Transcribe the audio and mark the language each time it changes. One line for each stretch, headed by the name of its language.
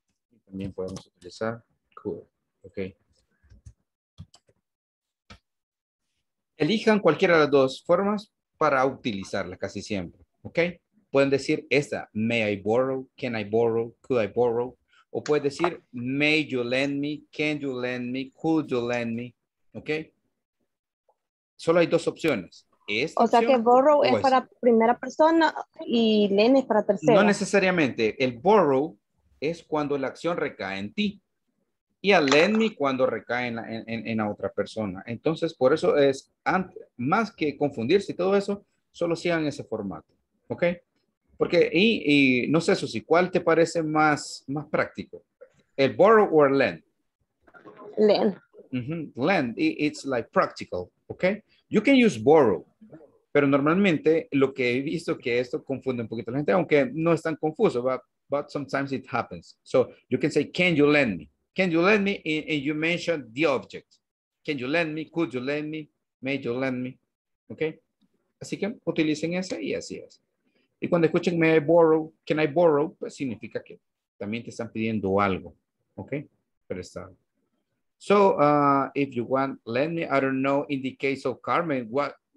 Spanish: Y también podemos utilizar could. Ok. Elijan cualquiera de las dos formas para utilizarla casi siempre. Ok. Pueden decir esta:
English: may I borrow, can I borrow, could I borrow.
Spanish: O puedes decir:
English: may you lend me, can you lend me, could you lend me.
Spanish: Ok. Solo hay dos opciones. O sea, que borrow es para primera persona y lend es para tercera. No necesariamente. El borrow es cuando la acción recae en ti. Y a lend me cuando recae en la otra persona. Entonces, por eso es, más que confundirse y todo eso, solo sigan ese formato. ¿Ok? Porque, y no sé, Susi, ¿cuál te parece más práctico? ¿El borrow o lend?
English: Lend. Mm-hmm. Lend. It's like practical. ¿Ok? You can use borrow.
Spanish: Pero normalmente lo que he visto que esto confunde un poquito a la gente, aunque no es tan confuso,
English: but sometimes it happens. So you can say, can you lend me? Can you lend me? And you mention the object. Can you lend me? Could you lend me? May you lend me? Okay.
Spanish: Así que utilicen ese y así es. Y cuando escuchen,
English: may I borrow? Can I borrow?
Spanish: Pues significa que también te están pidiendo algo. Okay. Prestado.
English: So if you want, lend me. I don't know, in the case of Carmen, what?